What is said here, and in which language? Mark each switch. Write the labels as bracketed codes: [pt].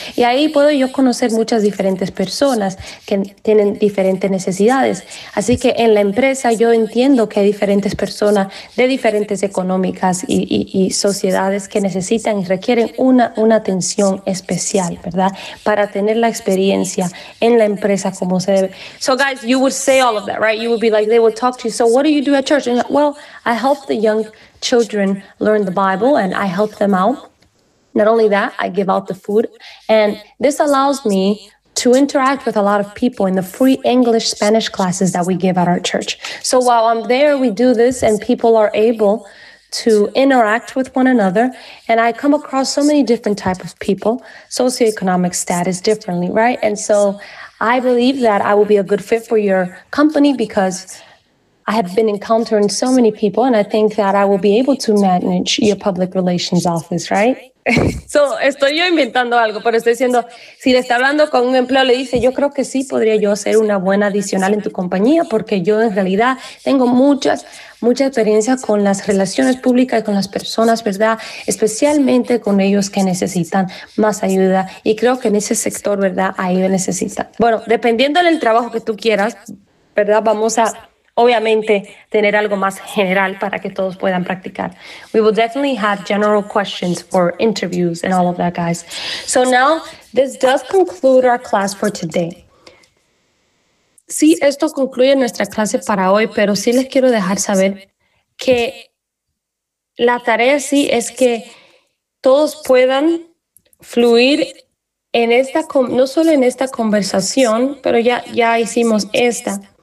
[es] Y ahí puedo yo conocer muchas diferentes personas que tienen diferentes necesidades. Así que en la empresa yo entiendo que hay diferentes personas de diferentes económicas y sociedades que necesitan y requieren una atención especial, ¿verdad? Para tener la experiencia en la empresa como se debe. [en] So guys, you would say all of that, right? You would be like, they would talk to you. So what do you do at church? And well, I help the young children learn the Bible and I help them out. Not only that, I give out the food. And this allows me to interact with a lot of people in the free English Spanish classes that we give at our church. So while I'm there, we do this and people are able to interact with one another. And I come across so many different types of people, socioeconomic status differently, right? And so I believe that I will be a good fit for your company because I have been encountering so many people, and I think that I will be able to manage your public relations office, right? [es] So, estoy yo inventando algo, pero estoy diciendo, si le está hablando con un empleo, le dice, yo creo que sí podría yo ser una buena adicional en tu compañía, porque yo en realidad tengo mucha experiencia con las relaciones públicas y con las personas, ¿verdad? Especialmente con ellos que necesitan más ayuda. Y creo que en ese sector, ¿verdad? Ahí lo necesitan. Bueno, dependiendo del trabajo que tú quieras, ¿verdad? Vamos a obviamente, tener algo más general para que todos puedan practicar. [en] We will definitely have general questions for interviews and all of that, guys. So now, this does conclude our class for today. [es] Sí, esto concluye nuestra clase para hoy, pero sí les quiero dejar saber que la tarea sí es que todos puedan fluir en esta, no solo en esta conversación, pero ya hicimos esta,